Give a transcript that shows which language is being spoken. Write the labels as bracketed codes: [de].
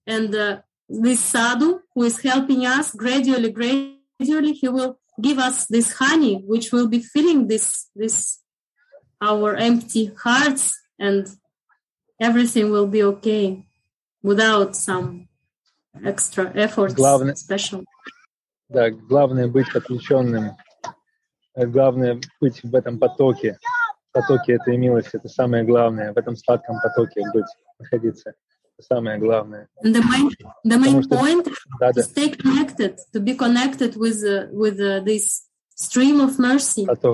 [en] And this sadhu who is helping us gradually, he will give us this honey, which will be filling this our empty hearts, and everything will be okay without some extra efforts. [ru] Главное быть подключенным. Главное быть в этом потоке. Потоке этой милости — это самое главное. В этом сладком потоке быть, находиться. Самое главное. [en] The main point is to stay connected, to be connected with this stream of mercy.